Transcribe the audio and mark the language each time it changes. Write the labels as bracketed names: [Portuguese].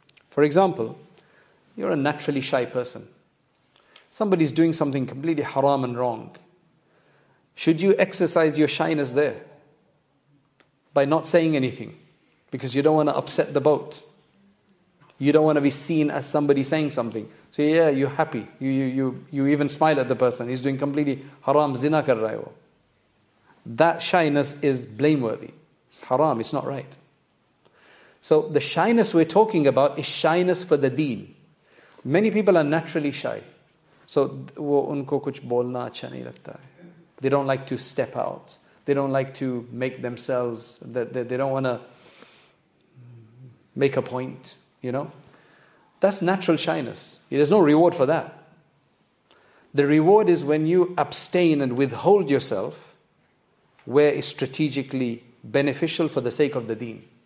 [English] For example, you're a naturally shy person. Somebody's doing something completely haram and wrong. Should you exercise your shyness there by not saying anything? Because you don't want to upset the boat. You don't want to be seen as somebody saying something. So yeah, you're happy. You even smile at the person. He's doing completely haram, [Urdu] زنا کر رہا ہے۔ [English] That shyness is blameworthy. It's haram, it's not right. So the shyness we're talking about is shyness for the deen. Many people are naturally shy. [Urdu] So وہ ان کو کچھ بولنا اچھا نہیں لگتا ہے۔ [English] They don't like to step out. They don't like to make themselves, they don't want to make a point, you know. That's natural shyness. There's no reward for that. The reward is when you abstain and withhold yourself where it's strategically beneficial for the sake of the deen.